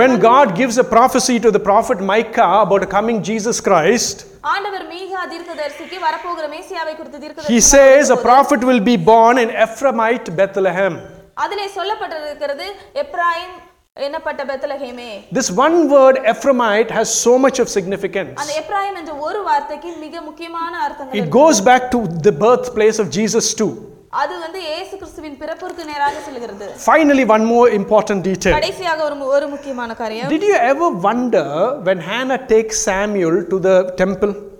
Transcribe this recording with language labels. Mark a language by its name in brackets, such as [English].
[English] When God gives a prophecy to the prophet Micah about a coming Jesus Christ, [Tamil] ஆண்டவர் மீகா தீர்க்கதரிசிக்கு வரப்போகிற மேசியாவை குறித்து தீர்க்கதரிசி, [English] He says a prophet will be born in Ephraimite Bethlehem. [Tamil] அதிலே சொல்லப்பட்டிருக்கிறது எப்ராயிம் என்னப்பட்ட பெத்லகேமே. [English] This one word Ephraimite has so much of significance. [Tamil] அந்த எப்ராயிம் என்ற ஒரு வார்த்தைக்கு மிக முக்கியமான அர்த்தங்கள். [English] It goes back to the birthplace of Jesus too. [Tamil] அது வந்து இயேசு கிறிஸ்துவின் பிறப்புக்கு நேராக செல்கிறது. [English] Finally, one more important detail. [Tamil] கடைசியாக ஒரு முக்கியமான காரியம். [English] Did you ever wonder when Hannah takes Samuel to the temple?